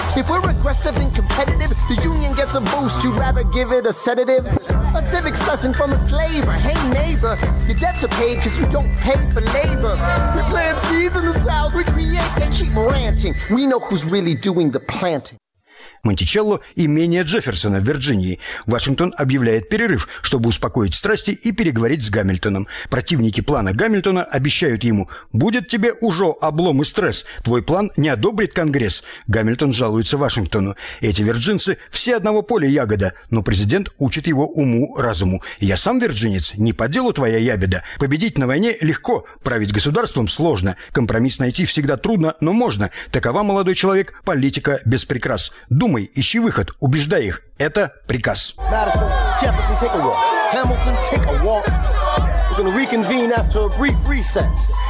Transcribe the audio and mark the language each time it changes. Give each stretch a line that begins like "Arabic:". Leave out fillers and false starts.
English: If we're aggressive and competitive, the union gets a boost. You'd rather give it a sedative? A civics lesson from a slaver. Hey neighbor, your debts are paid because you don't pay for labor. We plant seeds in the south, we create, they keep ranting. We know who's really doing the planting.
Russian: Монтичелло имение Джефферсона в Вирджинии. Вашингтон объявляет перерыв, чтобы успокоить страсти и переговорить с Гамильтоном. Противники плана Гамильтона обещают ему: «Будет тебе уже облом и стресс, твой план не одобрит Конгресс». Гамильтон жалуется Вашингтону: «Эти вирджинцы все одного поля ягода, но президент учит его уму-разуму. Я сам вирджинец, не по делу твоя ябеда. Победить на войне легко, править государством сложно. Компромисс найти всегда трудно, но можно. Такова, молодой человек, политика без прикрас. Думай, ищи выход, убеждай их. Это приказ».
English: Madison, Jefferson, take a walk. Hamilton, take a walk. We're gonna reconvene after a brief recess.